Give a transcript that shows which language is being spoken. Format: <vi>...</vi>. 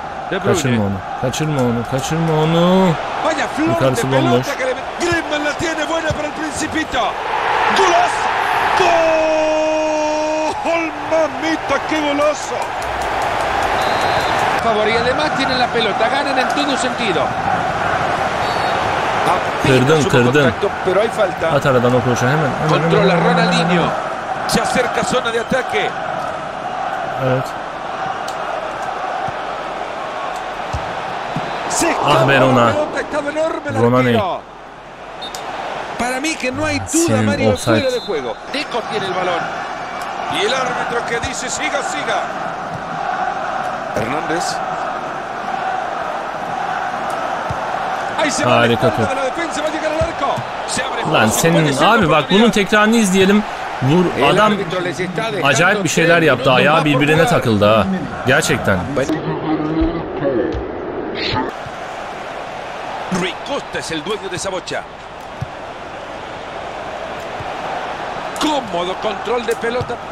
<tr>Kaçırma onu, kaçırma onu, kaçırma onu. Yukarısı bomboş.</tr> <es>Griezmann la tiene buena para el Principito. Golazo. Gol, mamita, qué golazo. Favor y además tienen la pelota, ganan en todo sentido.</es> <tr>Kırdın, kırdın. At aradan o koşu hemen.</tr> <es>Controla Ronaldinho. Se acerca zona de ataque.</es> <tr>Evet. Ah Verona. Roma ne?</tr> <es>Para mí que no hay duda, Mario, fuera de juego. Deco tiene el balón. Y el árbitro que dice siga, siga. Hernández.</es> <tr>Harika top. Lan senin abi bak bunun tekrarını izleyelim. Vur adam acayip bir şeyler yaptı. Ayağı birbirine takıldı ha. Gerçekten.</tr> <es>Rui Costa es el dueño de esa bocha. Cómodo control de pelota.</es>